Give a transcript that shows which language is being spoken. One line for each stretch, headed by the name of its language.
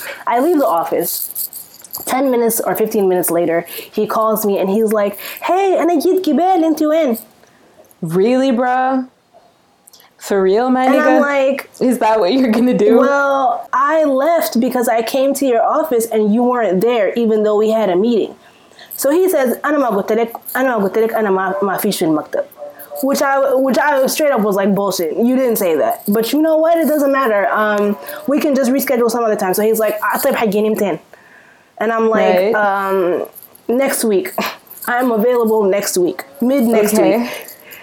English: I leave the office. 10 minutes or 15 minutes later, he calls me and he's like, hey,
Arabic: أنا جيت قبل, أنت وين?
English: Really, bruh? For real, my nigga? And I'm like... Is that what you're gonna do? Well, I left because I came to your office and you weren't there even though we had a meeting. So he says,
Arabic: أنا ما قلت لك, أنا ما فيش في المكتب.
English: Which I straight up was like, bullshit. You didn't say that. But you know what? It doesn't matter. We can just reschedule some other time. So he's like,
Arabic: طيب حقين يمتين.
English: And I'm like, right. Next week. I'm available next week. Mid next okay. week.